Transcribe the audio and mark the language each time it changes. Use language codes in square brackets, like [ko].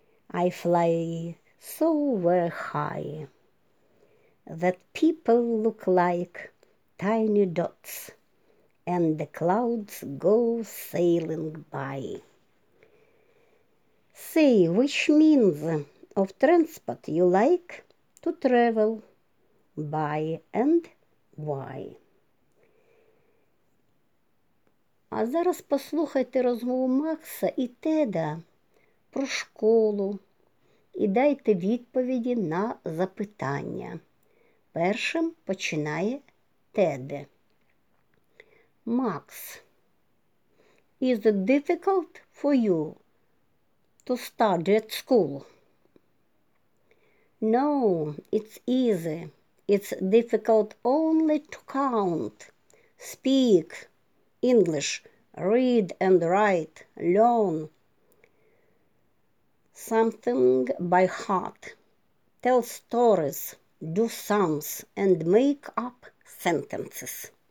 [en] I fly so very high that people look like tiny dots and the clouds go sailing by. Say, which means of transport you like to travel by and why? [uk] А зараз послухайте розмову Макса і Теда про школу і дайте відповіді на запитання. Першим починає Тед. [en] Макс, is it difficult for you to study at school? No, it's easy. It's difficult only to count, speak English, read and write, learn something by heart, tell stories, do sums, and make up sentences.